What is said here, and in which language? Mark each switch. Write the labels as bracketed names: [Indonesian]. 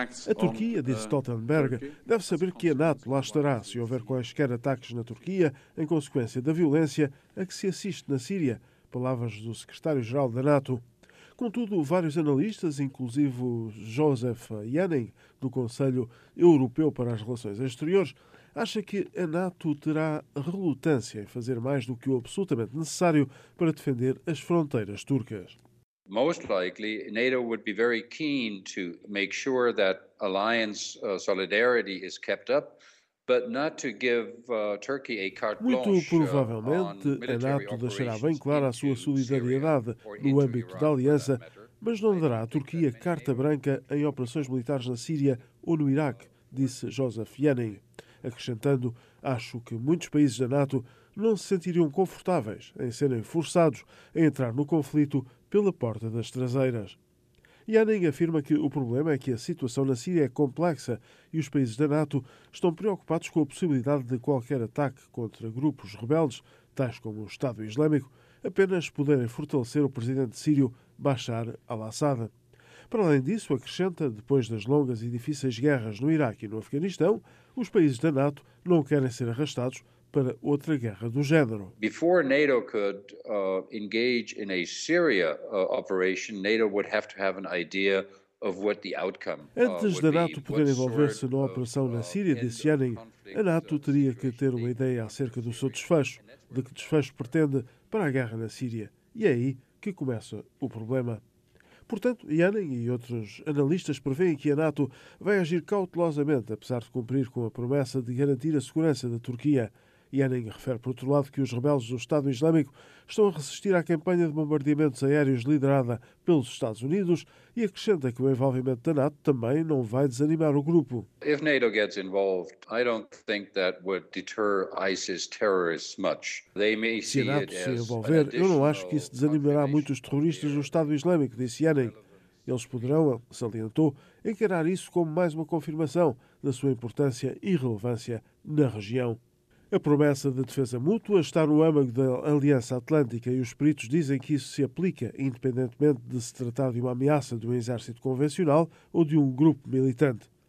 [Portuguese] A Turquia, disse Stoltenberg, deve saber que a NATO lá estará se houver quaisquer ataques na Turquia em consequência da violência a que se assiste na Síria, palavras do secretário-geral da NATO. Contudo, vários analistas, inclusive Joseph Janning, do Conselho Europeu para as Relações Exteriores, acha que a NATO terá relutância em fazer mais do que o absolutamente necessário para defender as fronteiras turcas. [English] Most likely, NATO would be very keen to make sure that alliance solidarity is kept up, but not to give Turkey a carte blanche. [Portuguese] Muito provavelmente, a NATO deixará bem clara a sua solidariedade no âmbito da aliança, mas não dará à Turquia carta branca em operações militares na Síria ou no Iraque, disse Joseph Janning. Acrescentando, acho que muitos países da NATO não se sentiriam confortáveis em serem forçados a entrar no conflito pela porta das traseiras. Janning afirma que o problema é que a situação na Síria é complexa e os países da NATO estão preocupados com a possibilidade de qualquer ataque contra grupos rebeldes, tais como o Estado Islâmico, apenas poderem fortalecer o presidente sírio Bashar al-Assad. Para além disso, acrescenta, depois das longas e difíceis guerras no Iraque e no Afeganistão, os países da NATO não querem ser arrastados para outra guerra do género. [English] Before NATO could engage in a Syria operation, NATO would have to have an idea of what the outcome would be. [Portuguese] Antes da NATO poder envolver-se numa operação na Síria, disse Janning, a NATO teria que ter uma ideia acerca do seu desfecho, de que desfecho pretende para a guerra na Síria. E é aí que começa o problema. Portanto, Janning e outros analistas preveem que a NATO vai agir cautelosamente, apesar de cumprir com a promessa de garantir a segurança da Turquia. Janning refere, por outro lado, que os rebeldes do Estado Islâmico estão a resistir à campanha de bombardeamentos aéreos liderada pelos Estados Unidos e acrescenta que o envolvimento da NATO também não vai desanimar o grupo. [English] If NATO gets involved, I don't think that would deter ISIS terrorists much. They may see it as additional. [Portuguese] Se a NATO se envolver, eu não acho que isso desanimará muito os terroristas do Estado Islâmico, disse Janning. Eles poderão, salientou, encarar isso como mais uma confirmação da sua importância e relevância na região. A promessa de defesa mútua está no âmago da Aliança Atlântica e os peritos dizem que isso se aplica, independentemente de se tratar de uma ameaça de um exército convencional ou de um grupo militante.